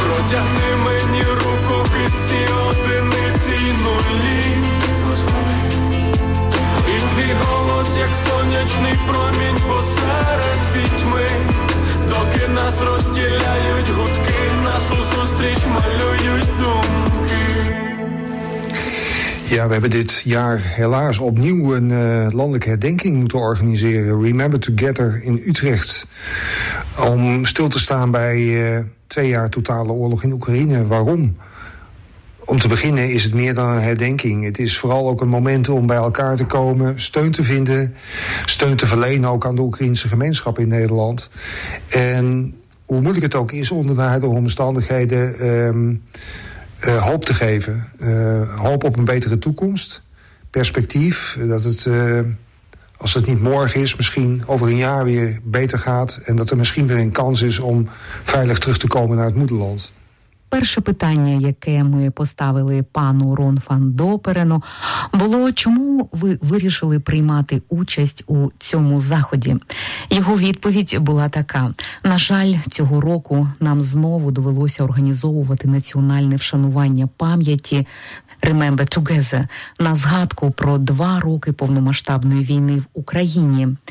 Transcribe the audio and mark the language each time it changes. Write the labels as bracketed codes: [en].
[uk] Тягни мені руку в кисті одиниці й нулі. І твій голос, як сонячний промінь посеред пітьми, доки нас розділяють гудки, нашу зустріч малюють думки. [nl] Ja, we hebben dit jaar helaas opnieuw een landelijke herdenking moeten organiseren. Remember Together in Utrecht. Om stil te staan bij 2 jaar totale oorlog in Oekraïne. Waarom? Om te beginnen is het meer dan een herdenking. Het is vooral ook een moment om bij elkaar te komen, steun te vinden, steun te verlenen ook aan de Oekraïnse gemeenschap in Nederland. En hoe moeilijk het ook is onder de huidige omstandigheden, hoop te geven. Hoop op een betere toekomst. Perspectief. Dat het, als het niet morgen is, misschien over een jaar weer beter gaat. En dat er misschien weer een kans is om veilig terug te komen naar het moederland. [uk] Перше питання, яке ми поставили пану Рон фан Доперену, було, чому ви вирішили приймати участь у цьому заході? Його відповідь була така. На жаль, цього року нам знову довелося організовувати національне вшанування пам'яті Remember Together на згадку про 2 роки повномасштабної війни в Україні.